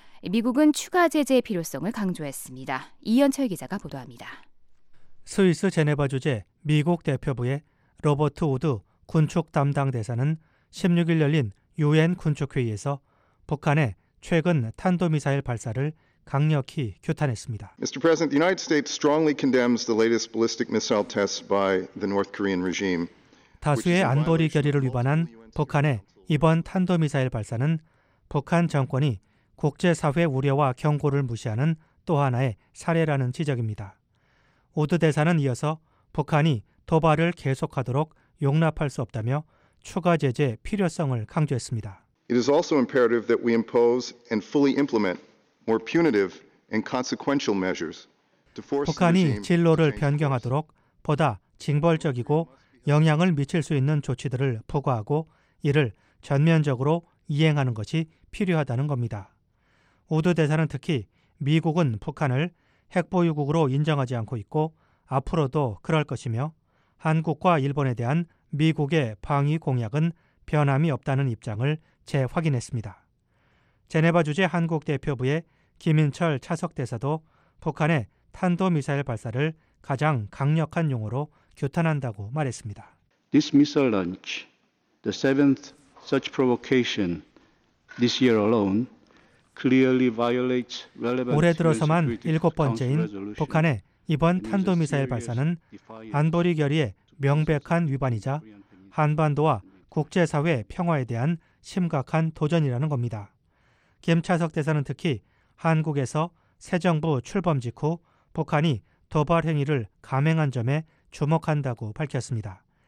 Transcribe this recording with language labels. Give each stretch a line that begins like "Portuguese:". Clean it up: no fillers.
Korean: 미국은 추가 제재의 필요성을 강조했습니다. 이현철 기자가 보도합니다. 스위스 제네바 주재 미국 대표부의 로버트 우드 군축 담당 대사는 16일 열린 유엔 군축회의에서 북한의 최근 탄도미사일 발사를 강력히 규탄했습니다.
English: Mr. President, the United States strongly condemns the latest ballistic missile tests by the North Korean regime.
Korean: 다수의 안보리 결의를 위반한 북한의 이번 탄도미사일 발사는 북한 정권이 국제사회 우려와 경고를 무시하는 또 하나의 사례라는 지적입니다. 우드 대사는 이어서 북한이 도발을 계속하도록 용납할 수 없다며 추가 제재 필요성을 강조했습니다.
English: It is also imperative that we impose and fully implement more punitive and consequential measures to force
Korean: 북한이 진로를 변경하도록 보다 징벌적이고 영향을 미칠 수 있는 조치들을 포괄하고 이를 전면적으로 이행하는 것이 필요하다는 겁니다. 우드 대사는 특히 미국은 북한을 핵보유국으로 인정하지 않고 있고 앞으로도 그럴 것이며 한국과 일본에 대한 미국의 방위 공약은 변함이 없다는 입장을 재확인했습니다. 제네바 주재 한국 대표부의 김인철 차석대사도 북한의 탄도미사일 발사를 가장 강력한 용어로 규탄한다고 말했습니다.
English: This missile launch, the seventh such provocation this year alone, clearly violates relevant
Korean: 올해 들어서만 일곱 번째인 북한의 이번 탄도미사일 발사는 안보리 결의의 명백한 위반이자 한반도와 국제사회 평화에 대한 심각한 도전이라는 겁니다. 김 차석 대사는 특히 한국에서 새 정부 출범 직후 북한이 도발 행위를 감행한 점에 주목한다고 밝혔습니다.